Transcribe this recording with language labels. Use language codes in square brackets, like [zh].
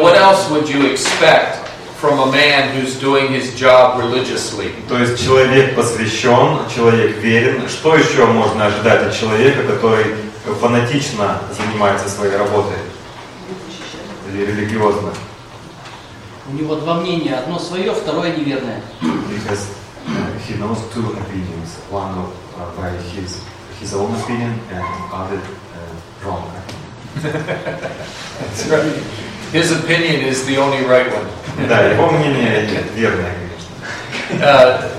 [en] What else would you expect from a man who's doing his job religiously? [ru] То есть человек посвящен, человек верен. Что еще можно ожидать от человека, который фанатично занимается своей работой? Или религиозно? У него два мнения. Одно свое, второе неверное. [en] Because he knows two opinions. One by his own opinion and other wrong opinion. That's right. His opinion is the only right one. [ru] Да, его мнение верное, конечно.